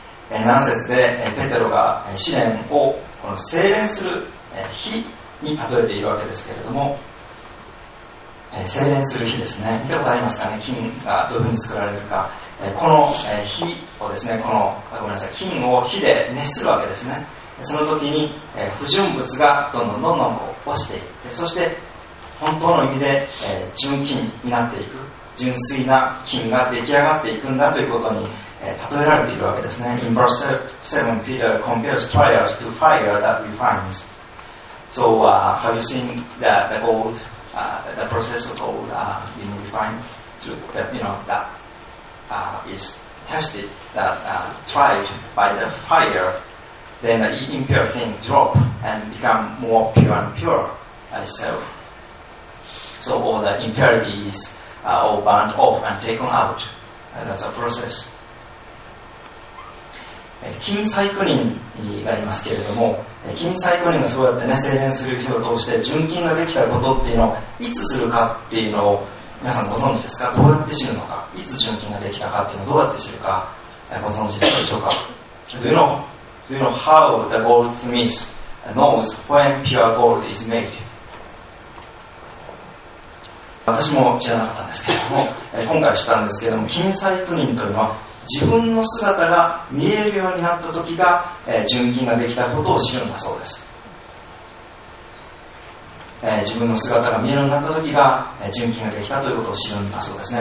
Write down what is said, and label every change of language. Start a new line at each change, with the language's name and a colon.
Japanese: 何節でペテロが試練をこの精錬する日に例えているわけですけれども、精錬する日ですね、見たことありますかね、金がどういうふうに作られるか、この火をですね、このごめんなさい、金を火で熱するわけですね。その時に不純物がどんどんどんどんこう落ちていって、そして本当の意味で、純金になっていく、純粋な金が出来上がっていくんだということに、例えられているわけですね。
English: In verse 7, Peter compares trials to fire that refines. So, have you seen the gold, the process of gold being refined? To, that, you know, that is tested, that tried by the fire, then the impure thing drop and become more pure and pure itself. So all the impurities are all burned off and taken out. And that's a process.
Japanese: 金細工人がいますけれども、金細工人がそうやってね、精錬する日を通して純金ができたことっていうのをいつするかっていうのを皆さんご存知ですか？どうやって知るのか？いつ純金ができたかっていうのをどうやって知るかご存知でしょうか？
English: Do you know how the goldsmith knows when pure gold is made?
Japanese: 私も知らなかったんですけれども、今回知ったんですけれども、金細工人というのは自分の姿が見えるようになった時が、純金ができたことを知るんだそうです。自分の姿が見えるようになった時が、純金ができたということを知るんだそうですね。